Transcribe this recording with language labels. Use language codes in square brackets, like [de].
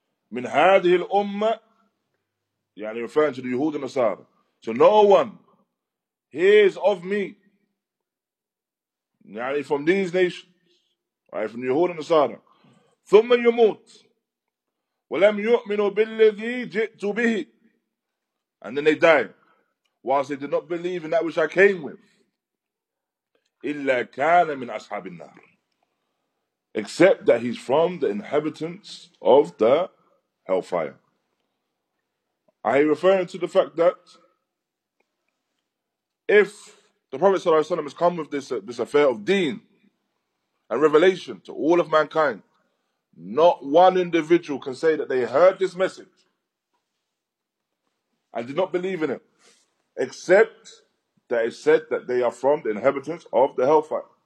[ar] من هذه الأمة يعني [en] referring to the Yehud and Nasar. So no one hears of me يعني from these nations right, from Yehud and Nasar. [ar] ثم يموت ولم يؤمنوا بالذي جئت به. [en] And then they die whilst they did not believe in that which I came with. [ar] إلا كان من أصحاب النار. [en] Except that he's from the inhabitants of the hellfire. Are you referring to the fact that if the Prophet sallallahu alaihi wasallam has come with this affair of deen and revelation to all of mankind, not one individual can say that they heard this message and did not believe in it, except that it said that they are from the inhabitants of the hellfire.